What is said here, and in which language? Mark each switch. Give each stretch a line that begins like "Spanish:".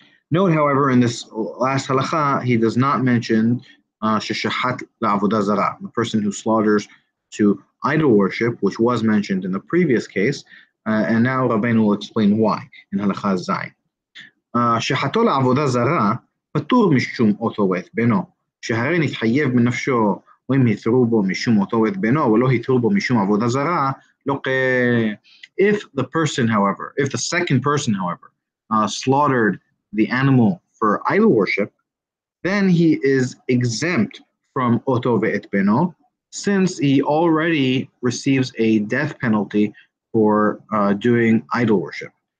English: Note, however, in this last halakha, he does not mention sheshahat la'avodah zarah, the person who slaughters to idol worship, which was mentioned in the previous case, and now Rabbeinu will explain why in halakha zayin.
Hebrew: Shehato la'avodah zarah patur mishum oto veth beno. שהרי נתחייב בנפשו, או אם היתרו בו משום אותו ואת בנו, ולא היתרו בו משום עבודה זרה, לא כ...
English: If the second person, however, slaughtered the animal for idol worship, then he is exempt from
Hebrew: אותו ואת בנו,
English: since he already receives a death penalty for doing idol worship.